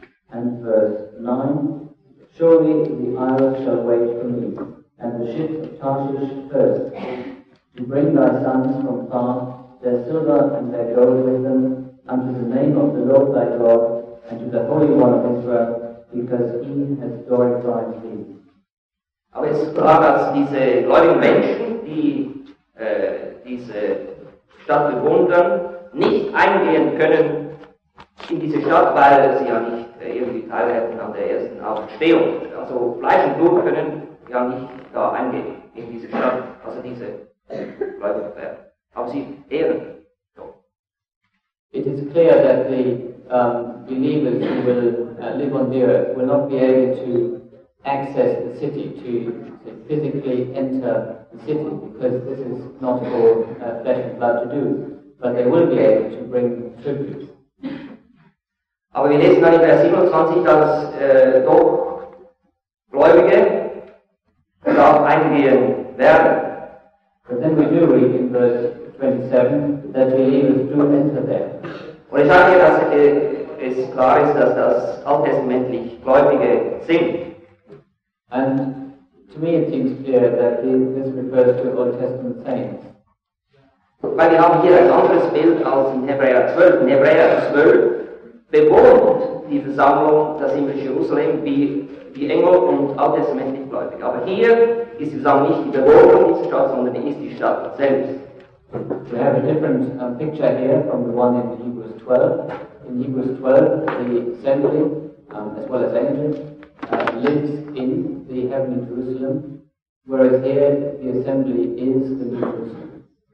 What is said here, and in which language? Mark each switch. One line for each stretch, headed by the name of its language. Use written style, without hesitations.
English: And verse 9, surely the isles shall wait for me, and the ships of Tarshish first, to bring thy sons from far, their silver and their gold with them, unto the name of the Lord thy God, and to the Holy One of Israel, because he has glorified thee.
German: Aber es ist klar, dass diese gläubigen Menschen, die diese Stadt bewundern, nicht eingehen können in diese Stadt, weil sie ja nicht irgendwie teilhaben an der ersten Auferstehung. Also Fleisch und Blut können ja nicht da eingehen in diese Stadt, also diese Leute werden. Aber sie ehren Gott.
English: It is clear that the believers who will live on the earth will not be able to access the city, to physically enter the city, because this is not for flesh and blood to do, but they will be able to bring tribute.
German: Aber wir lesen dann in Vers 27, dass doch Gläubige da eingehen werden.
English: But then we do read in Vers 27, that believers do enter there.
German: Und ich sage dir, dass es klar ist, dass das alttestamentlich Gläubige sind.
English: And to me it seems clear that this refers to Old Testament saints.
German: Weil wir haben hier ein anderes Bild als in Hebräer 12. In Hebräer 12 bewohnt die Versammlung das himmlische Jerusalem wie Engel und alttestamentlich gläubig. Aber hier ist die Versammlung nicht die Bewohnung dieser Stadt, sondern die ist die Stadt selbst.
English: We have a different picture here from the one in Hebrews 12. In Hebrews 12, the assembly, as well as angels, lives in the heavenly Jerusalem, whereas here the assembly is the new Jerusalem.